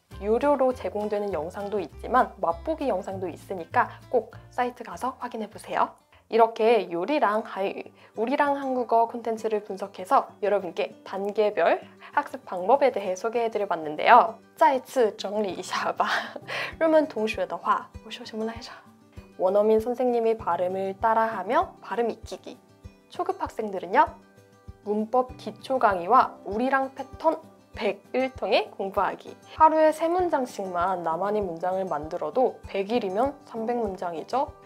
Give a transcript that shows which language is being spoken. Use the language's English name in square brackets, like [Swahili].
[Korean] 유료로 제공되는 영상도 있지만 맛보기 영상도 있으니까 꼭 사이트 가서 확인해보세요. 이렇게 요리랑 한유, 우리랑 한국어 콘텐츠를 분석해서 여러분께 단계별 학습 방법에 대해 소개해드려봤는데요. [Chinese] 再次 [Korean] 정리 [Chinese] 一下吧. [Korean] 그러면 동시에 [Chinese] 的话, 我说什么来着? [Korean] 원어민 선생님의 발음을 따라하며 발음 익히기. 초급 학생들은요, 문법 기초 강의와 우리랑 패턴 101통의 공부하기. 하루에 3문장씩만 나만의 문장을 만들어도 100일이면 300문장이죠.